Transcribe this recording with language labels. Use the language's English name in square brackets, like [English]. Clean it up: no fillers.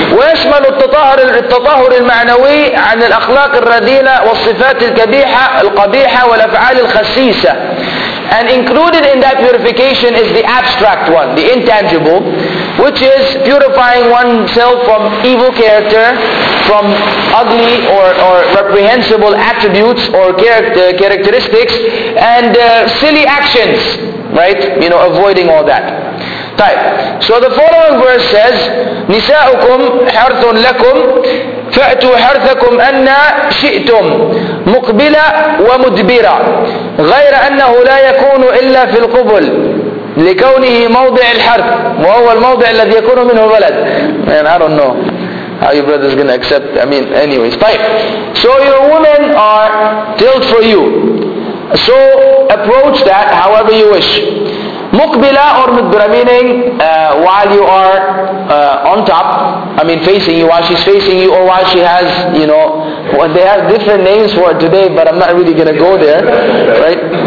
[Arabic] ويشمل التطهر المعنوي عن الأخلاق الرذيلة والصفات القبيحة والأفعال الخسيسة. [English] And included in that purification is the abstract one, the intangible, which is purifying oneself from evil character, from ugly or reprehensible attributes or characteristics, and silly actions, right? You know, avoiding all that. [Arabic] طيب. [English] So the following verse says, [Arabic] نساؤكم حرث لكم فأتوا حرثكم أن شئتم مقبلة ومدبرة غير أنه لا يكون إلا في القبل لكونه موضع الحرث وهو الموضع الذي يكون منه الولد. [English] Man, I don't know how your brother is going to accept. I mean, anyways. [Arabic] طيب. [English] So your women are tilled for you. So approach that however you wish. Mukbila or mudbira, meaning while you are on top, I mean facing you, while she's facing you, or while she has, you know, well, they have different names for it today, but I'm not really going to go there, right?